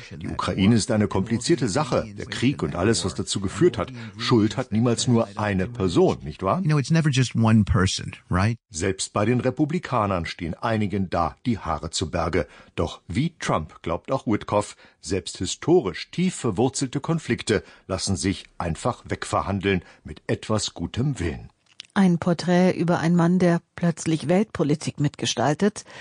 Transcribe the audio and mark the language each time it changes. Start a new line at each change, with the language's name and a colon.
German: Die Ukraine ist eine komplizierte Sache, der Krieg und alles, was dazu geführt hat. Schuld hat niemals nur eine Person, nicht wahr?
English: You know, it's never just one person, right?
German: Selbst bei den Republikanern stehen einigen da die Haare zu Berge. Doch wie Trump glaubt auch Witkoff, selbst historisch tief verwurzelte Konflikte lassen sich einfach wegverhandeln mit etwas gutem Willen. Ein Porträt über einen Mann, der plötzlich Weltpolitik mitgestaltet.